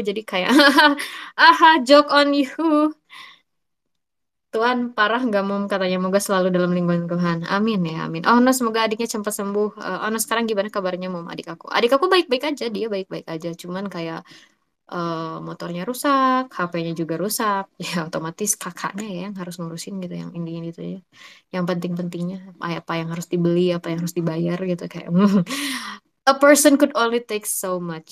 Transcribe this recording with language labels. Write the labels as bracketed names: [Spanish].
[Indonesian] Jadi kayak, aha, [English] joke on you. [Indonesian] Tuhan, parah nggak mau katanya. Moga selalu dalam lingkungan Tuhan. Amin ya, amin. Oh, no, semoga adiknya cepat sembuh. Oh, no, sekarang gimana kabarnya mom adik aku? Adik aku baik-baik aja. Dia baik-baik aja. Cuman kayak motornya rusak, HP-nya juga rusak. Ya otomatis kakaknya ya yang harus ngurusin gitu, yang ini gitu ya. Yang penting-pentingnya apa yang harus dibeli, apa yang harus dibayar gitu kayak. [English] A person could only take so much.